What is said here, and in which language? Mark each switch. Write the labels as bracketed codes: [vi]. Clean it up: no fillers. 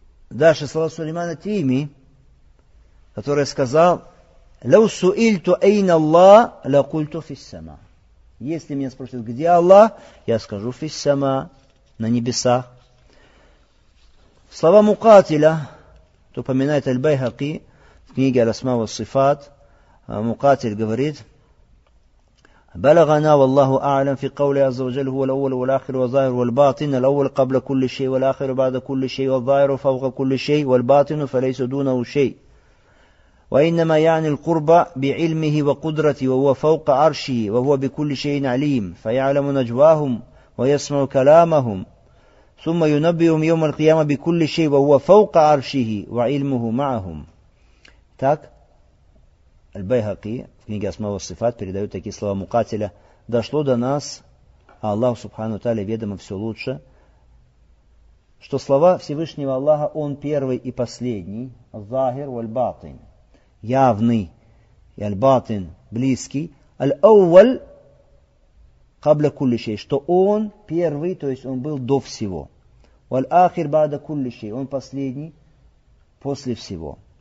[ru] Дальше слова Сулеймана Тими, который сказал, [ar] «Лау суильту эйна Аллах, ла культу фиссама». [ru] Если меня спросят, где Аллах, я скажу фиссама, на небесах. Слова Мукатиля, то упоминает Аль-Байхаки в книге «Аль-Асма ва Сифат», Мукатиль говорит, [ar] بلغنا والله أعلم في قوله عز وجل هو الأول والآخر والظاهر والباطن الأول قبل كل شيء والآخر بعد كل شيء والظاهر فوق كل شيء والباطن فليس دونه شيء وإنما يعني القرب بعلمه وقدرته وهو فوق عرشه وهو بكل شيء عليم فيعلم نجواهم ويسمع كلامهم ثم ينبئهم يوم القيامة بكل شيء وهو فوق عرشه وعلمه معهم. [ru] Так Аль-Байхаки в книге «Асма ва Сифат» передают такие слова Мукатиля. «Дошло до нас, а Аллаху Субхану Тааля ведомо все лучше, что слова Всевышнего Аллаха, Он первый и последний, Захир валь-Батин, явный, и аль-Батин, близкий, аль-Ауваль, [ar] кабля кулли-шей, [ru] что Он первый, то есть Он был до всего, [ar] валь-Ахир бада кулли-шей, [ru] Он последний, после всего».